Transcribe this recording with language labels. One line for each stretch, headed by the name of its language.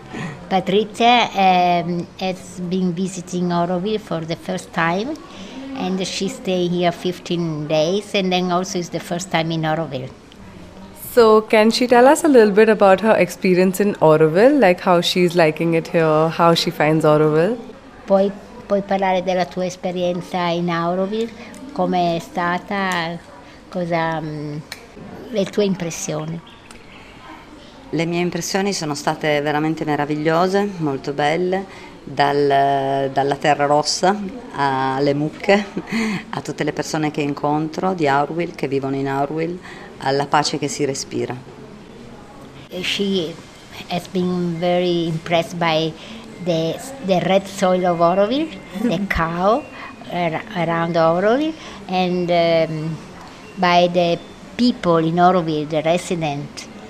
English: Patrizia has been visiting Orwell for the first time and she stayed here 15 days and then also is the first time in Orwell. So can she tell us a little bit about her experience in Auroville, like how she's liking it here, how she finds Auroville?
Italian: Puoi parlare della tua esperienza in Auroville, come è stata, cosa le tue impressioni? Le mie impressioni sono state veramente meravigliose, molto belle, dalla terra rossa alle mucche, a tutte le persone che incontro di Auroville, che vivono in Auroville, alla pace che si respira.
English: She has been very impressed by the red soil of Auroville, the cow around Auroville, and by the people in Auroville, the residents.